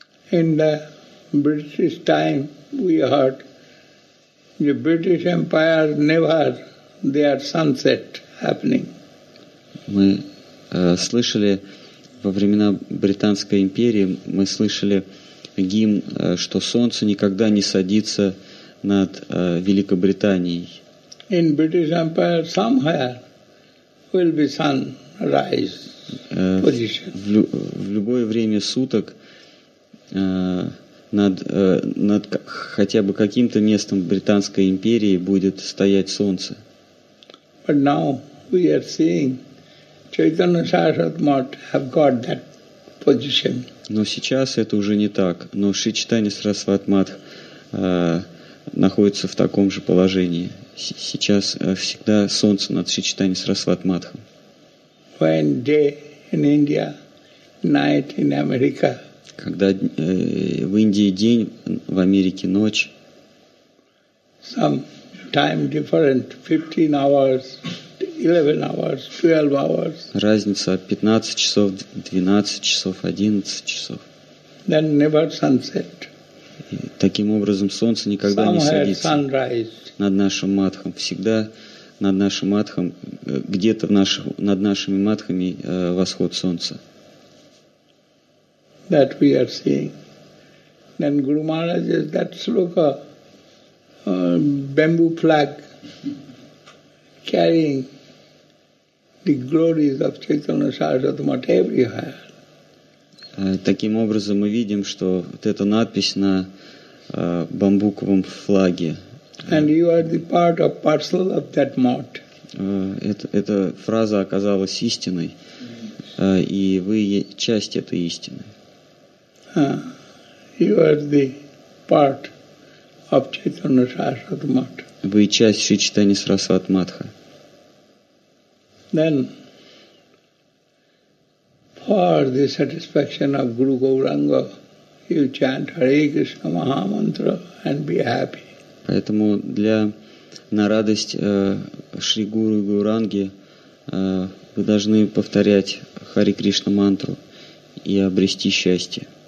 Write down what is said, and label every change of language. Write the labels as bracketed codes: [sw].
[en] In the British time, we heard the British Empire never their sunset happening. [ru] Мы слышали во времена Британской империи, мы слышали гимн, что солнце никогда не садится над Великобританией. [en] In British Empire, somewhere will be sunrise position. [ru] В любое время суток над хотя бы каким-то местом Британской империи будет стоять солнце. [en] But now we are seeing Chaitanya Sarasvati Mat have got that position. [ru] Но сейчас это уже не так. Но Шри Чайтанья Сарасвати Мат находится в таком же положении. Сейчас всегда солнце над Шри Чайтанья Сарасвати Матхам. [en] When day in India, night in America. [ru] Когда в Индии день, в Америке ночь. [en] Some time different, 15 hours, 11 hours, 12 hours. [ru] Разница 15 часов, 12 часов, 11 часов. [en] Then never sunset. [ru] И таким образом солнце никогда [en] Somewhere [ru] не садится [en] sunrise. [ru] Над нашим матхом. Всегда над нашим матхом, где-то над нашими матхами восход солнца. [en] That we are seeing. Then Guru Maharaj says, that's look a bamboo flag carrying the glories of Chaitanya Sarasvati Mata everywhere. [ru] Таким образом мы видим, что вот эта надпись на бамбуковом флаге. [en] And you are the part of parcel of that mat. [ru] Эта фраза оказалась истиной, и вы часть этой истины. [en] You are the part of Chaitanya Sarasvati Mata. [ru] Вы часть Шри Чайтаньи Сарасвати Матха. [en] Then, for the satisfaction of Guru Gauranga, you chant Hare Krishna Mahamantra and be happy. [ru] Поэтому на радость Шри Гуру Гауранги вы должны повторять Хари Кришна мантру и обрести счастье.